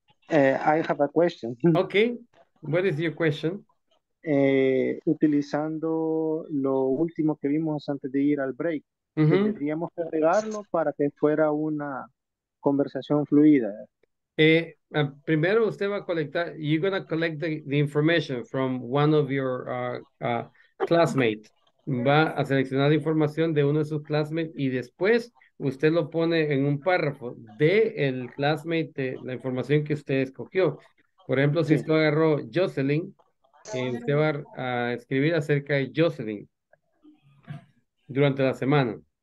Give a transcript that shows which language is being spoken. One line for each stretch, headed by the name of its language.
English: I have a question. Okay. What is your question?
Spanish: Utilizando lo último que vimos antes de ir al break, tendríamos que agregarlo para que fuera una conversación fluida. Primero usted va a colectar,
English: you're going to collect the information from one of your classmates.
Spanish: Va a seleccionar la información de uno de sus classmates y después usted lo pone en un párrafo de el classmate, de la información que usted escogió. Por ejemplo, si usted agarró Jocelyn, usted va a escribir acerca de Jocelyn durante la semana.